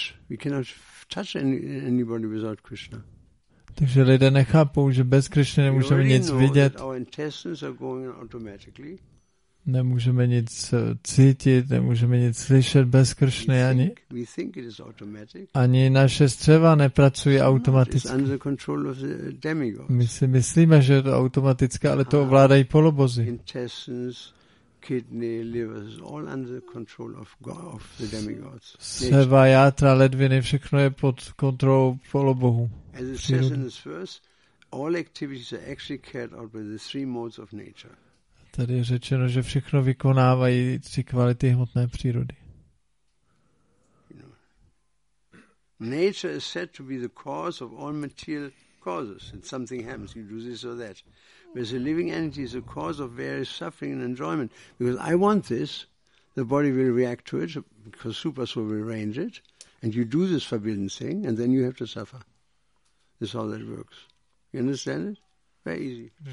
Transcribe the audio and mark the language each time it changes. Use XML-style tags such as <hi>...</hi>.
<en>We cannot touch anybody without Krishna.</en> <cs>Takže lidé nechápou, že bez Krishna nemůžeme nic vidět.</cs> <en>Our intestines are going automatically.</en> <cs>Nemůžeme nic cítit, nemůžeme nic slyšet bez Krishny ani.</cs> <en>We think it is automatic.</en> <cs>Ani naše střeva nepracují automaticky.</cs> <en>It's under the control of the demigods.</en> <cs>My si myslíme, že je to automatické, ale to ovládají polobozy.</cs> <en>Intestines, kidney, liver is all under the control of God, of the demigods.</en> <cs>Střeva, játra, ledviny, všechno je pod kontrolou polobohů.</cs> <en>As it says in this verse, all activities are actually carried out by the three modes of nature.</en> <cs>Tady je řečeno, že všechno vykonávají tři kvality hmotné přírody.</cs> <en>Nature is said to be the cause of all material causes. If something happens, you do this or that. Whereas a living entity is the cause of various suffering and enjoyment. Because I want this, the body will react to it, because super soul will arrange it, and you do this forbidden thing, and then you have to suffer. This is how that works. You understand it? Very easy.</en>